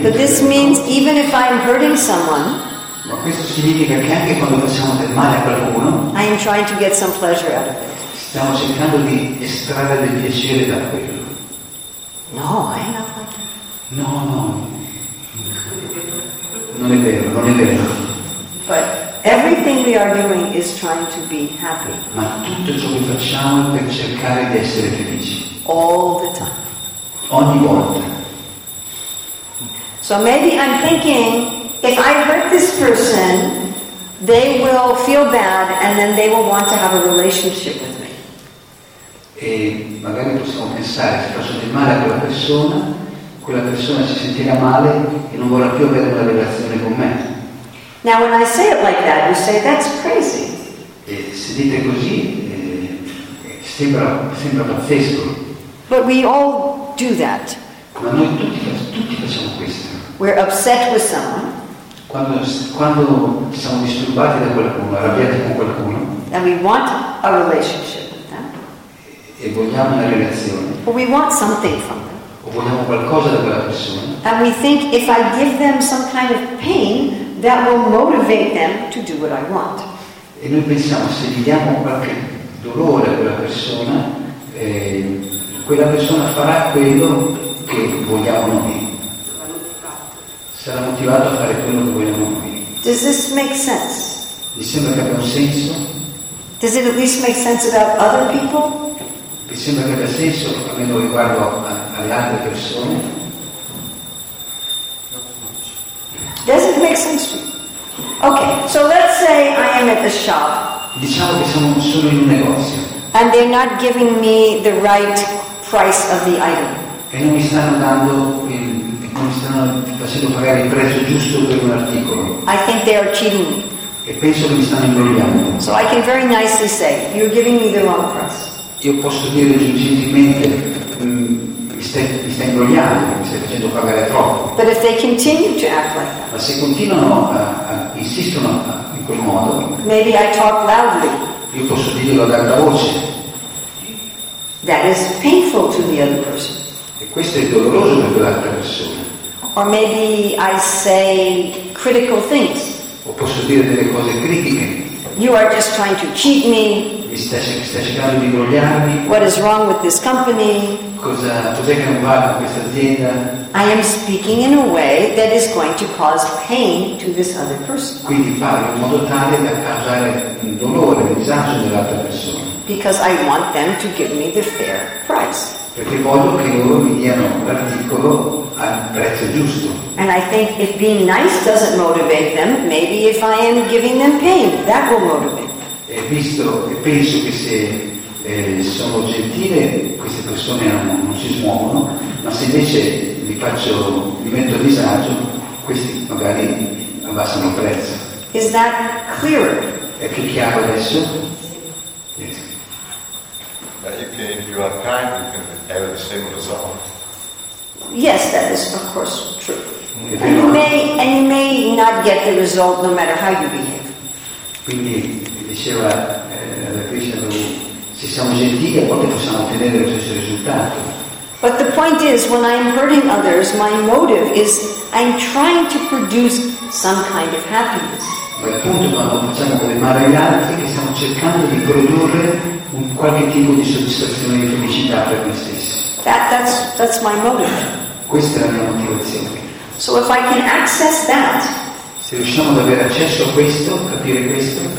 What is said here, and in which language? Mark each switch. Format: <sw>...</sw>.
<en>But this means even if I'm hurting someone.</en> <it>Ma questo significa che anche quando facciamo del male a qualcuno,</it> <en>I am trying to get some pleasure out of it.</en> <it>Stiamo cercando di estrarre del piacere da quello.</it> <en>No, I am not like that. No, no.</en> <it>Non è vero, non è vero.</it> <en>But everything we are doing is trying to be happy.</en> <it>Ma tutto ciò che facciamo è per cercare di essere felici.</it> <en>All the time.</en> <it>Ogni volta.</it> <en>So maybe I'm thinking, if I hurt this person, they will feel bad and then they will want to have a relationship with me.</en> <it>E magari possiamo pensare, se faccio del male a quella persona si sentirà male e non vorrà più avere una relazione con me.</it> <en>Now when I say it like that, you say, that's crazy.</en> <it>E se dite così, sembra pazzesco.</it> <en>But we all do that.</en> <it>Ma noi tutti facciamo questo.</it> <en>We're upset with someone.</en> <it>Quando siamo disturbati da qualcuno, arrabbiati con qualcuno,</it> <en>and we want a relationship with them,</en> <it>e vogliamo una relazione,</it> <en>or we want something from them,</en> <it>o vogliamo qualcosa da quella persona,</it> <en>and we think if I give them some kind of pain, that will motivate them to do what I want.</en> <it>E noi pensiamo, se gli diamo qualche dolore a quella persona farà quello che vogliamo noi. Sarà motivato a fare quello che vogliamo noi.</it> <en>Does this make sense?</en> <it>Mi sembra che abbia un senso.</it> <en>Does it at least make sense about other people?</en> <it>Mi sembra che abbia senso almeno riguardo alle altre persone.</it> <en>Does it make sense to you? Okay, so let's say I am at the shop.</en> <it>Diciamo che sono in un negozio.</it> <en>And they're not giving me the right price of the item.</en> <it>E non mi stanno dando mi stanno facendo pagare il prezzo giusto per un articolo.</it> <en>I think they are cheating me.</en> <it>E penso che mi stanno ingannando.</it> <en>So I can very nicely say, you're giving me the wrong price.</en> <it>Io posso dire gentilmente, mi stai ingannando, mi stai facendo pagare troppo.</it> <en>But if they continue to act like that.</en> <it>Ma se continuano insistono in quel modo.</it> <en>Maybe I talk loudly.</en> <it>Io posso dirlo ad alta voce.</it> <en>That is painful to the other person.</en> <it>E questo è doloroso per quell'altra persona.</it> <en>Or maybe I say critical things.</en> <it>O posso dire delle cose critiche.</it> <en>You are just trying to cheat me.</en> <it>Mi stai cercando di ingannarmi.</it> <en>What is wrong with this company?</en> <it>Cos'è che non va con questa azienda?</it> <en>I am speaking in a way that is going to cause pain to this other person.</en> <it>Quindi parlo in modo tale da causare un dolore, un disagio nell'altra persona.</it> <en>Because I want them to give me the fair price.</en> <it>Perché voglio che loro mi diano l'articolo al prezzo giusto.</it> <en>And I think if being nice doesn't motivate them, maybe if I am giving them pain, that will motivate them.</en> <it>E penso che se sono gentile, queste persone non si smuovono, ma se invece li metto a disagio, questi magari abbassano il prezzo.</it> <en>Is that clearer?</en> <it>È più chiaro adesso?</it> <en>If you are kind, you can have the same result. Yes, that is of course true. And you may not get the result no matter how you behave.</en> <it>Quindi diceva la Krishna, se siamo gentili, a volte possiamo ottenere lo stesso risultato.</it> <en>But the point is, when I am hurting others, my motive is I'm trying to produce some kind of happiness.</en> <it>ma il punto quando facciamo del male agli altri è che stiamo cercando di produrre un qualche tipo di soddisfazione e felicità per noi stessi.</it> <en>That's my motive.</en> <it>Questa è la mia motivazione.</it> <en>So if I can access that,</en> <it>se riusciamo ad avere accesso a questo, capire questo,</it>